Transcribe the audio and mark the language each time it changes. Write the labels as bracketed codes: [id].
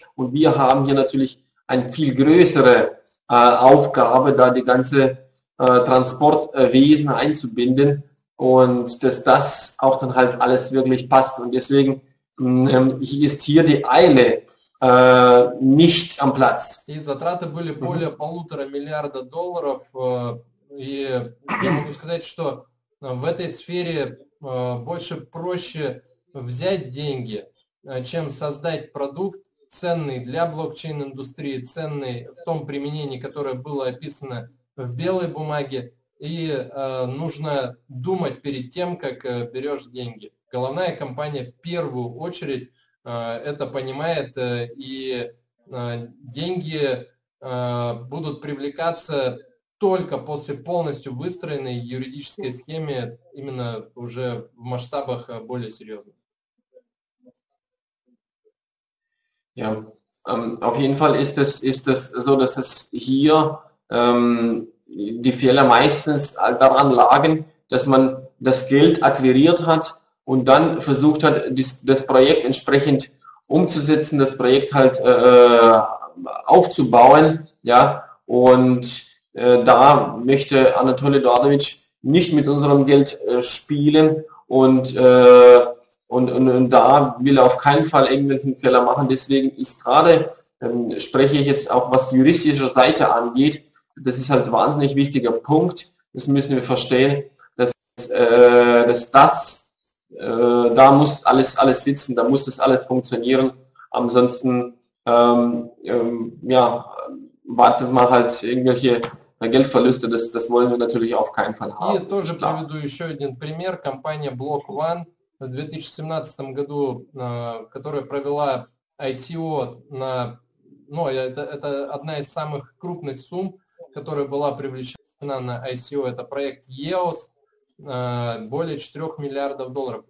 [de] Und wir haben hier natürlich eine viel größere Aufgabe, da die ganze Transportwesen einzubinden und dass das auch dann halt alles wirklich passt. Und deswegen ist hier die Eile nicht am Platz. [ru] И затраты были более полутора миллиарда долларов. И я могу сказать, что в этой сфере больше проще взять деньги, чем создать продукт ценный для блокчейн-индустрии, ценный в том применении, которое было описано в белой бумаге. И нужно думать перед тем, как берешь деньги. Головная компания в первую очередь это понимает, и деньги будут привлекаться только после полностью выстроенной юридической схемы, именно уже в масштабах более серьезных. [de] Ja, auf jeden Fall ist es so, dass es hier die Fehler meistens daran lagen, dass man das Geld akquiriert hat und dann versucht hat, das Projekt entsprechend umzusetzen, das Projekt halt aufzubauen, ja, und da möchte Anatoly Eduardowitsch nicht mit unserem Geld spielen und da will er auf keinen Fall irgendwelchen Fehler machen, deswegen ist gerade spreche ich jetzt auch, was juristische Seite angeht, das ist halt ein wahnsinnig wichtiger Punkt. Das müssen wir verstehen, da muss alles sitzen, da muss das alles funktionieren. Ansonsten wartet man halt irgendwelche Geldverluste, das wollen wir natürlich auf keinen Fall haben. Hier [ru] тоже приведу еще один пример. Компания Block One в 2017 году, которая провела ICO на, ну, это одна из самых крупных сумм, которая была привлечена на ICO, это проект EOS, более 4 миллиардов долларов.